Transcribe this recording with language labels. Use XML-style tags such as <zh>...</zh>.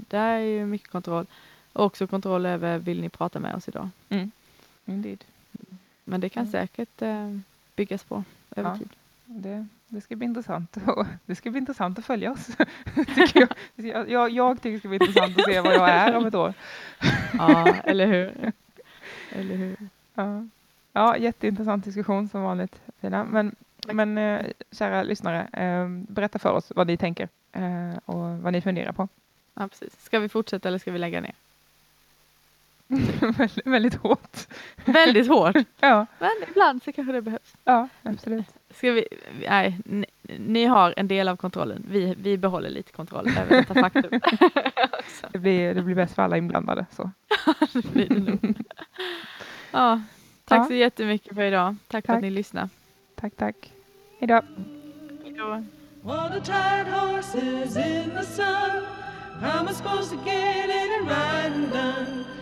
<sv>Det är ju mycket kontroll. Och också kontroll över, vill ni prata med oss idag?</sv> <en>Mm. Indeed.</en> <sv>Men det kan säkert byggas på över tid. Det ska bli intressant. Det ska bli intressant att följa oss. Jag tycker det ska bli intressant att se vad jag är om ett år. Ja, eller hur? Eller hur? Ja, jätteintressant diskussion som vanligt. Men kära lyssnare, berätta för oss vad ni tänker och vad ni funderar på. Ja, precis. Ska vi fortsätta eller ska vi lägga ner? Väldigt hårt. Väldigt hårt? Ja. Men ibland så kanske det behövs. Ja, absolut. Ska vi, nej, ni har en del av kontrollen. Vi behåller lite kontroll över detta faktum. det blir bäst för alla inblandade. Så. Ja, tack så jättemycket för idag. Tack för att ni lyssnade. Tack. Hejdå.</sv> <en>What a tired horse is in the sun. How am I supposed to get it and ride and done?</en>